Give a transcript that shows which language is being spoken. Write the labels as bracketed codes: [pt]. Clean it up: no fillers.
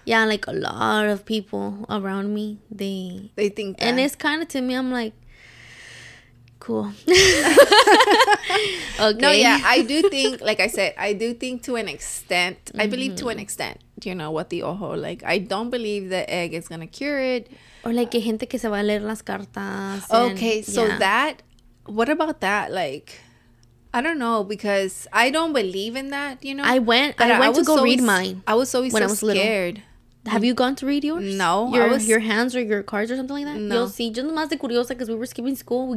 [en] Yeah, like, a lot of people around me, they think that. And it's kind of, to me, I'm like, cool. Okay. No, yeah, I do think, like I said, I do think to an extent, I believe to an extent, you know, what the ojo, like, I don't believe the egg is going to cure it. Or, like, [es] hay gente que se va a leer las cartas. [en] Okay, and, so that, what about that, like, I don't know, because I don't believe in that, you know? I went to go read mine. I was always so scared. Have you gone to read yours? No. Your hands or your cards or something like that? No. You'll see. Just [es] más de curiosa, [en] because we were skipping school.